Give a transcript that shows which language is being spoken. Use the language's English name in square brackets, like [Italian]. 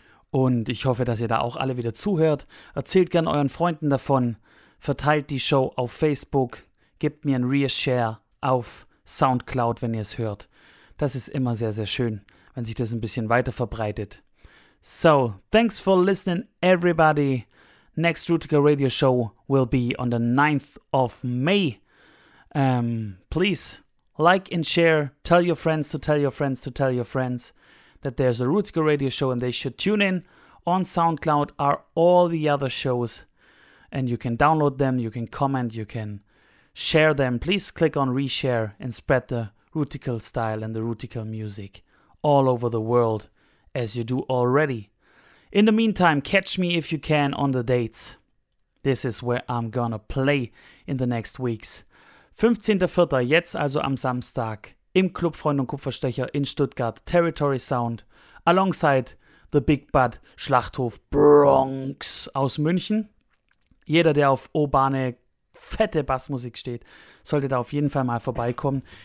[German] Und ich hoffe, dass ihr da auch alle wieder zuhört. Erzählt gern euren Freunden davon. Verteilt die Show auf Facebook. Gebt mir ein Reshare auf Soundcloud, wenn ihr es hört. Das ist immer sehr, sehr schön, wenn sich das ein bisschen weiter verbreitet. [English] So, thanks for listening, everybody. Next Rootikal Radio Show will be on the 9th of May. Please like and share, tell your friends to tell your friends to tell your friends that there's a Rootikal Radio Show and they should tune in. On SoundCloud are all the other shows and you can download them, you can comment, you can share them. Please click on reshare and spread the Rootikal style and the Rootikal music all over the world as you do already. In the meantime, catch me if you can on the dates. This is where I'm gonna play in the next weeks. 15.04. [German] jetzt also am Samstag im Club Freund und Kupferstecher in Stuttgart, Territory Sound, [English] alongside the [German] Big Bad Schlachthof Bronx aus München. Jeder, der auf urbane, fette Bassmusik steht, sollte da auf jeden Fall mal vorbeikommen.